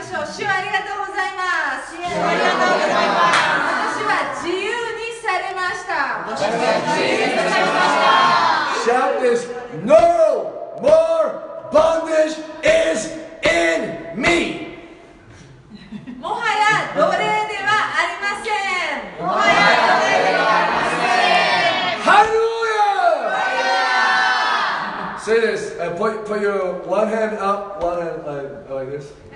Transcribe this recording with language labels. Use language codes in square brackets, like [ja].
[ja] 主はありがとうございます。主はありがとうございます。私は自由にされました。私は自由にされました。 [en] Shout this, no more bondage is in me. [ja] もはや奴隷ではありません。もはや奴隷ではありません。ハレルヤ。 [en] Say this, and put your one hand up, one hand like this.